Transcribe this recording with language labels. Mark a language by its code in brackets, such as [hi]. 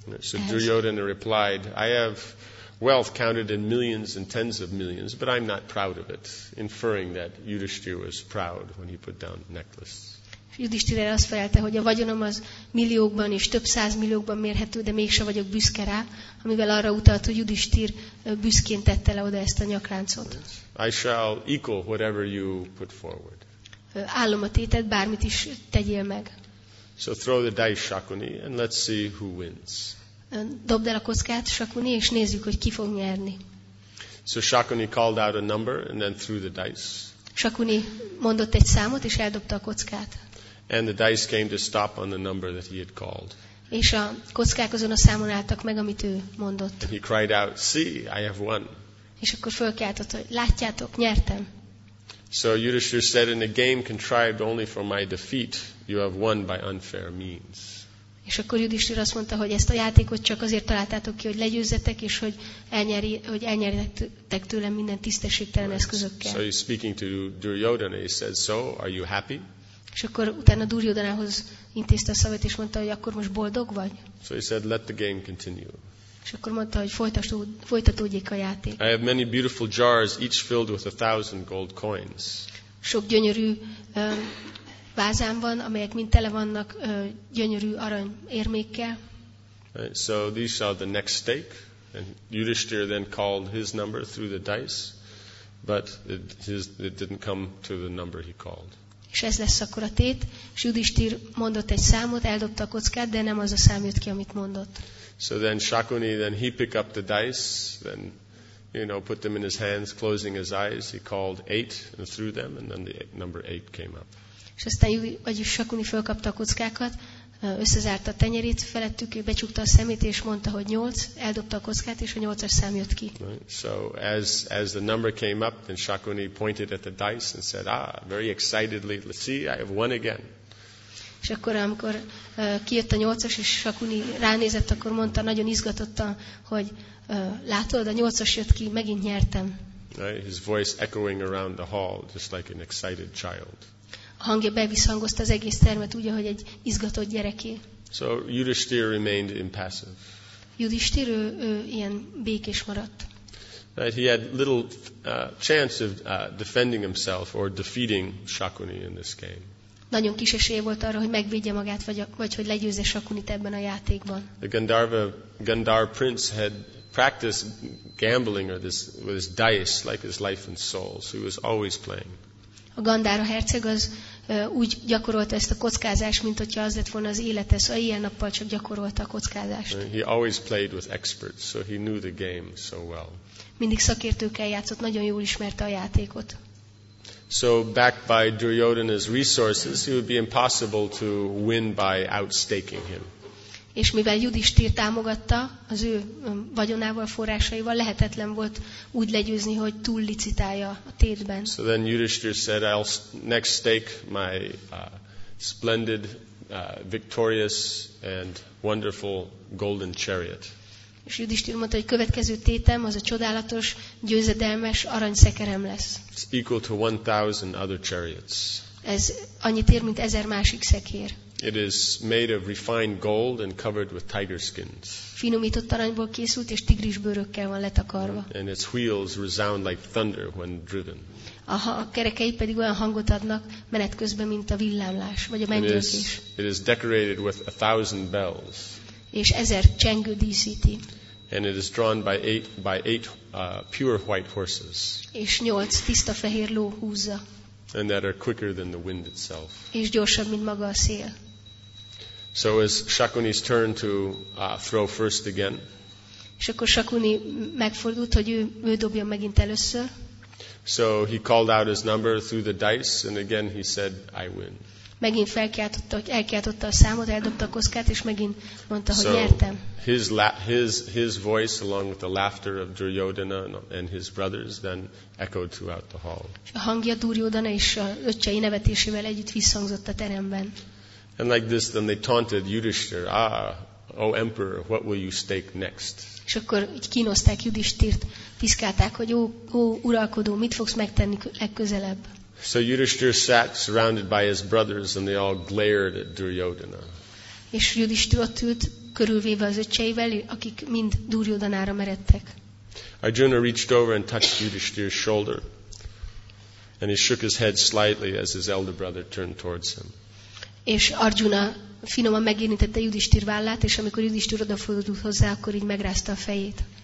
[en] So Duryodhana replied, I have wealth counted in millions and tens of millions, but I'm not proud of it, inferring that Yudhisthira was proud when he put down necklace. [hu] Yudhisthira azt felelte, hogy a vagyonom az milliókban és több száz milliókban mérhető, de mégse vagyok büszke rá, amivel arra utalt, hogy Yudhisthira büszkén tette le oda ezt a nyakláncot. [en] I shall equal whatever you put forward. [hu] Állom a tétet, bármit is tegyél meg. [en] So throw the dice, Shakuni, and let's see who wins. [hu] Dobd el a kockát, Shakuni, és nézzük, hogy ki fog nyerni. [en] So Shakuni called out a number, and then threw the dice. [hu] Shakuni mondott egy számot, és eldobta a kockát. [en] And the dice came to stop on the number that he had called. [hu] És a kockák azon a számon álltak meg, amit ő mondott. [en] And he cried out, "See, I have won." [hu] És akkor fölkiáltott, hogy látjátok, nyertem. [en] So Yudhisthira said, "In a game contrived only for my defeat, you have won by unfair means." [hu] És akkor Judistira azt mondta, hogy ezt a játékot csak azért találtátok ki, hogy legyőzzetek, és hogy elnyeri, hogy elnyertek tőlem minden tisztességtelen eszközökkel. [en] So he's speaking to Duryodhana, he said, so are you happy? [hu] És akkor utána Duryodhanához intézte a szavát, és mondta, hogy akkor most boldog vagy? [en] So he said, let the game continue. [hu] És akkor mondta, hogy folytatódjék a játék. [en] I have many beautiful jars, each filled with 1,000 gold coins. [hu] Sok gyönyörű vázám van, amelyek mind tele vannak gyönyörű arany érmékkel. [en] Right, so these are the next stake, and Yudhishthira then called his number through the dice, but it didn't come to the number he called. [hu] És ez lesz akkor a tét, és Yudhishthira mondott egy számot, eldobta a kockát, de nem az a szám jött ki, amit mondott. [en] So then Shakuni, then he picked up the dice, then you know, put them in his hands, closing his eyes. He called 8 and threw them, and then the number 8 came up. [hu] És aztán Shakuni fölkapta a kockákat, összezárta a tenyerét felettük, becsukta a szemét, és mondta, hogy 8, eldobta a kockát, és a 8-as szám jött ki. [en] So as the number came up, then Shakuni pointed at the dice and said, ah, very excitedly, let's see, I have won again. [hu] És akkor, amikor kijött a 8-as, és Shakuni ránézett, akkor mondta nagyon izgatottan, hogy látod, a 8-as jött ki, megint nyertem. [en] Right, his voice echoing around the hall, just like an excited child. [hu] A hangja bevisszhangozta az egész termet, úgy, ahogy egy izgatott gyereké. [en] So Yudhishthira remained impassive. [hu] Yudhishthira, ő ilyen békés maradt. [en] Right, he had little chance of defending himself or defeating Shakuni in this game. [hu] Nagyon kis esélye volt arra, hogy megvédje magát, vagy hogy legyőzze Shakunit ebben a játékban. [en] The Gandhar prince had practiced gambling or this with his dice like his life and soul. So he was always playing. [hu] A Gandhara herceg az úgy gyakorolta ezt a kockázást, mint hogyha az lett volna az élete, szóval ilyen nappal csak gyakorolta a kockázást. [en] He always played with experts, so he knew the game so well. [hu] Mindig szakértőkkel játszott, nagyon jól ismerte a játékot. [en] So backed by Duryodhana's resources, it would be impossible to win by outstaking him. [hu] És mivel Yudhishthir támogatta az ő vagyonával, forrásaival, lehetetlen volt úgy legyőzni, hogy túl licitálja a tétben. [en] So then Yudhishthir said, I'll next stake my splendid, victorious and wonderful golden chariot. [hu] És Yudhishthir mondta, hogy következő tétem az a csodálatos, győzedelmes aranyszekerem lesz. [en] It's equal to 1,000 other chariots. [hu] Ez annyit ér, mint 1,000 másik szekér. [en] It is made of refined gold and covered with tiger skins. [hu] Finomított aranyból készült és tigris bőrökkel van letakarva. [en] And its wheels resound like thunder when driven. [hu] A kerekei pedig olyan hangot adnak menet közben, mint a villámlás vagy a mennydörgés. [en] It is decorated with 1,000 bells. [hu] És 1,000 csengő díszíti. [en] And it is drawn by 8 pure white horses. [hu] És 8 tiszta fehér ló húzza. [en] And that are quicker than the wind itself. [hu] És gyorsabb, mint maga a szél. [en] So as Shakuni's turn to throw first again. [hu] És akkor Shakuni megfordult, hogy ő dobja megint először. [en] So he called out his number through the dice, and again he said, I win. [hu] Megint elkiáltotta a számot, eldobta a kockát, és megint mondta, hogy nyertem. [en] So his voice, along with the laughter of Duryodhana and his brothers, then echoed throughout the hall. [hu] A hangja Duryodhana és öccsei nevetésével együtt visszhangzott a teremben. [en] And like this, then they taunted Yudhishthira, ah, O emperor, what will you stake next? [hu] És akkor így kínozták Yudhishthirt, piszkálták, hogy ó uralkodó, mit fogsz megtenni legközelebb? [en] So Yudhishthira sat surrounded by his brothers and they all glared at Duryodhana. [hu] És Yudhishthira ott ült körülvéve az öccseivel, akik mind Duryodhanára meredtek. [en] Arjuna reached over and touched Yudhishthira's shoulder. And he shook his head slightly as his elder brother turned towards him. [hu] És Arjuna finoman megérintette Yudhishthira vállát, és amikor Yudhishthira odafordult hozzá, akkor így megrázta a fejét.